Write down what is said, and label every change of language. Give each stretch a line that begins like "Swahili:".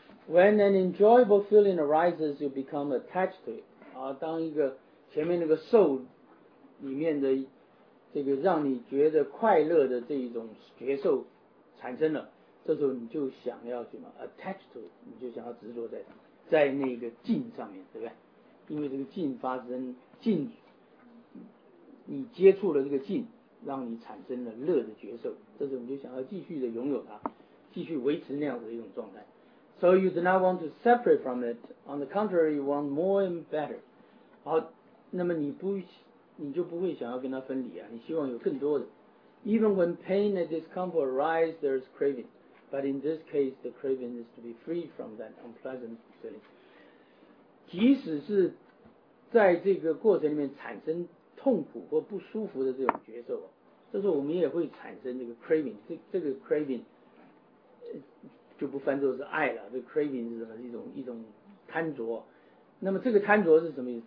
English: When an enjoyable feeling arises, you become attached to it.
Chinese: 当一个前面那个受里面的这个让你觉得快乐的这一种觉受产生了，这时候你就想要什么
English: attach to it，
Chinese: 你就想要执着在那个境上面，对不对？因为这个境发生，境你接触了这个境，让你产生了乐的觉受，这时候你就想要继续的拥有它，继续维持那样的一种状态。
English: So you do not want to separate from it. On the contrary, you want more and better.
Chinese: 好，那么你就不会想要跟它分离啊，你希望有更多的。
English: Even when pain and discomfort arise, there is craving. But in this case, the craving is to be free from that unpleasant feeling.
Chinese: 即使是在这个过程里面产生痛苦或不舒服的这种觉受，这时候我们也会产生这个 craving， 这个 craving 就不翻作是爱了，这个 craving 是什么？一种贪着。那么这个贪着是什么意思？